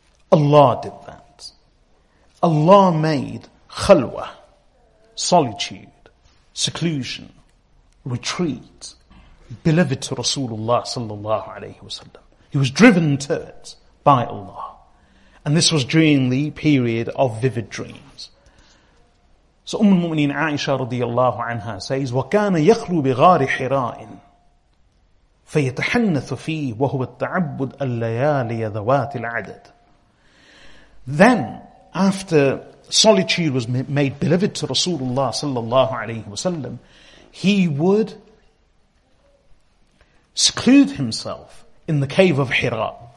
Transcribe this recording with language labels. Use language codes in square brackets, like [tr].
[en] Allah did that. Allah made khalwa, solitude, seclusion, retreat, beloved to Rasulullah sallallahu alayhi wasallam. He was driven to it by Allah. And this was during the period of vivid dreams. [ar] So Umm al-Mu'mineen Aisha radiyallahu anha says, وَكَانَ يَخْلُو بِغَارِ حِرَاءٍ فَيَتَحَنَّثُ فِيهِ وَهُوَ التَّعَبُّدَ اللَّيَالِيَ ذَوَاتِ الْعَدَدِ. [en] Then, after solitude was made beloved to Rasulullah sallallahu alayhi wasallam, he would seclude himself in the cave of Hira.